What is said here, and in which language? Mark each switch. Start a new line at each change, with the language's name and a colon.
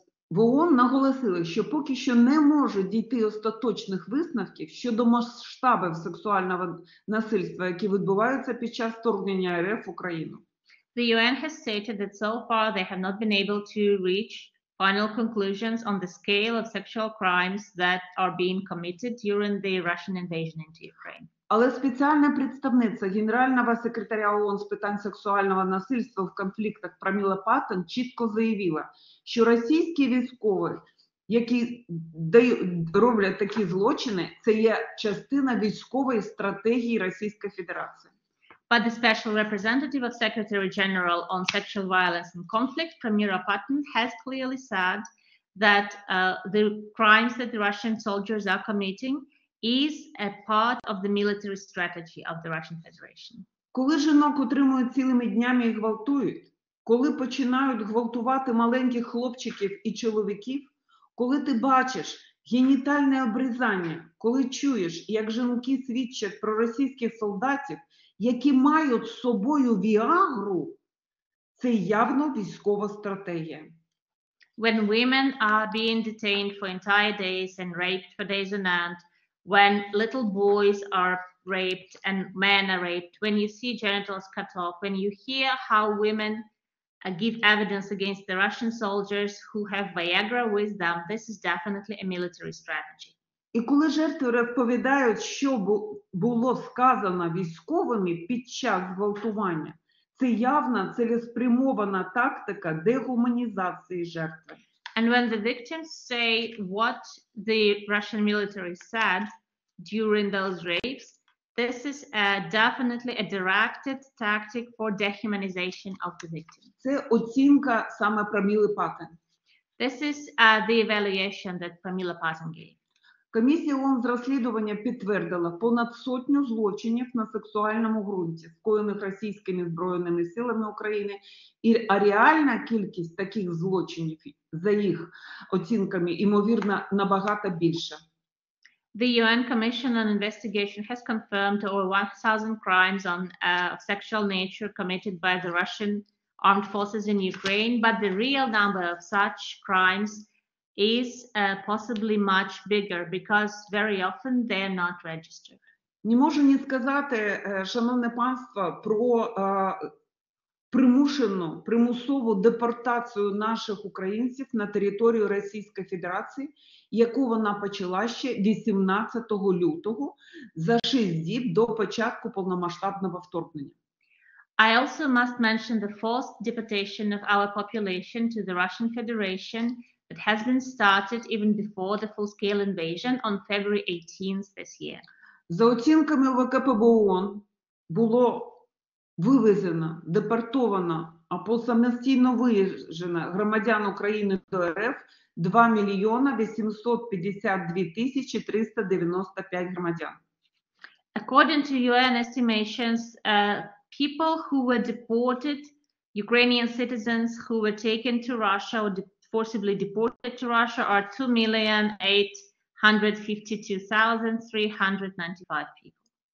Ukrainian: В ООН наголосили, що поки що не можуть дійти остаточних висновків щодо масштабів сексуального насильства, які відбуваються під час вторгнення РФ в Україну.
English: The UN has stated that so far they have not been able to reach final conclusions on the scale of sexual crimes that are being committed during the Russian invasion into Ukraine.
Ukrainian: Але спеціальна представниця Генерального секретаря ООН з питань сексуального насильства в конфліктах Проміла Паттон чітко заявила, що російські військові, які роблять такі злочини, це є частина військової стратегії Російської Федерації.
English: But the special representative of Secretary General on Sexual Violence and Conflict, Premier Patton, has clearly said that the crimes that the Russian soldiers are committing is a part of the military strategy of the Russian Federation.
Ukrainian: Коли жінок утримують цілими днями і гвалтують, коли починають гвалтувати маленьких хлопчиків і чоловіків, коли ти бачиш генітальне обрізання, коли чуєш, як жінки свідчать про російських солдатів, які мають з собою Віагру, це явно військова стратегія.
English: When women are being detained for entire days and raped for days on end, when little boys are raped and men are raped, when you see genitals cut off, when you hear how women give evidence against the Russian soldiers who have Viagra with them, this is definitely a military strategy.
Ukrainian: І коли жертви розповідають, що було сказано військовими під час зґвалтування, це явна цілеспрямована тактика дегуманізації жертви.
English: And when the victims say what the Russian military said during those rapes, this is definitely a directed tactic for dehumanization of the victim.
Ukrainian: Це оцінка саме Праміли Паттен.
English: This is the evaluation that Pramila Patten gave.
Ukrainian: Комісія ООН з розслідування підтвердила понад сотню злочинів на сексуальному ґрунті, скоєних російськими збройними силами України, і реальна кількість таких злочинів, за їх оцінками, ймовірно, набагато більша.
English: The UN Commission on Investigation has confirmed over 1,000 crimes on sexual nature committed by the Russian armed forces in Ukraine, but the real number of such crimes is possibly much bigger because very often they are not registered.
Ukrainian: Не можу не сказати, шановне панство, про примусову депортацію наших українців на територію Російської Федерації, яку вона почала ще 18 лютого, за 6 діб до початку повномасштабного вторгнення.
English: I also must mention the forced deportation of our population to the Russian Federation. It has been started even before the full-scale invasion on February 18th this year.
Ukrainian: За оцінками ВКПБУ ООН, було вивезено, депортовано або самостійно вивезено громадян України до РФ 2,852,395 громадян.
English: According to UN estimations, people who were deported, Ukrainian citizens who were taken to Russia or forcibly deported to Russia are 2,852,395 people.